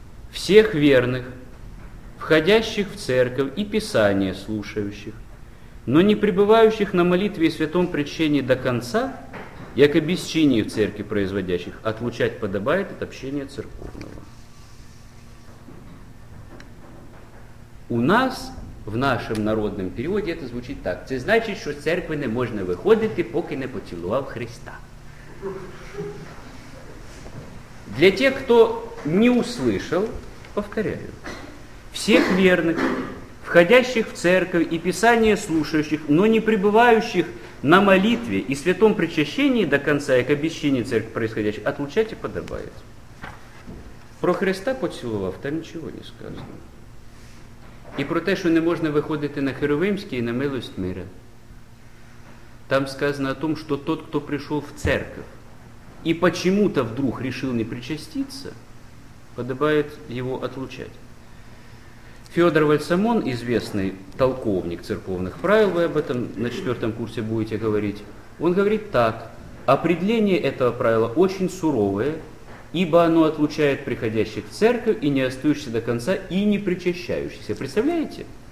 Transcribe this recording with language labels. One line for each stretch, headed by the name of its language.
Russian: Всех верных, входящих в церковь и Писание слушающих, но не пребывающих на молитве и святом причащении до конца, яко бесчинию в церкви производящих, отлучать подобает от общения церковного. У нас, в нашем народном периоде, это звучит так.
Ukrainian: Це значить, що з церкви не можна виходити, поки не поцілував Христа.
Russian: Для тех, кто не услышал, повторяю. Всех верных, входящих в церковь и Писание слушающих, но не пребывающих на молитве и святом причащении до конца, и к обещанию церкви происходящей, отлучать и подобает. Про Христа
Ukrainian: поцілував
Russian: там ничего не сказано. И про то, что не можно выходить на Херувимский и на милость мира. Там сказано о том, что тот, кто пришел в церковь и почему-то вдруг решил не причаститься, подобает его отлучать. Федор Вальсамон, известный толковник церковных правил, вы об этом на четвертом курсе будете говорить, он говорит так: определение этого правила очень суровое, ибо оно отлучает приходящих в церковь и не остающихся до конца, и не причащающихся. Представляете?